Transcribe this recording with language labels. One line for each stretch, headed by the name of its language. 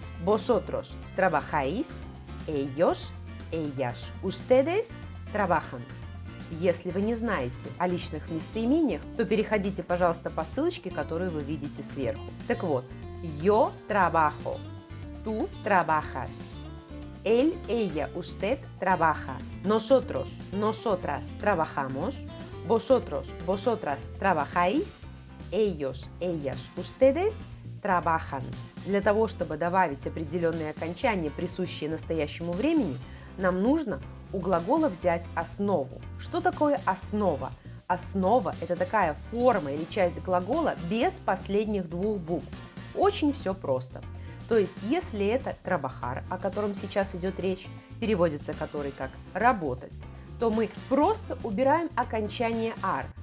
Spanish: Vosotros trabajáis, ellos, ellas, ustedes trabajan.
Russian: Если вы не знаете о личных местоимениях, то переходите, пожалуйста, по ссылочке, которую вы видите сверху. Так вот,
Spanish: yo trabajo, tú trabajas, él, ella, usted trabaja, nosotros, nosotras trabajamos, vosotros, vosotras trabajáis, ellos, ellas, ustedes trabajan.
Russian: Для того, чтобы добавить определенные окончания, присущие настоящему времени, нам нужно у глагола взять основу. Что такое основа? Основа – это такая форма или часть глагола без последних двух букв. Очень все просто. То есть, если это trabajar, о котором сейчас идет речь, переводится который как работать, то мы просто убираем окончание -ar.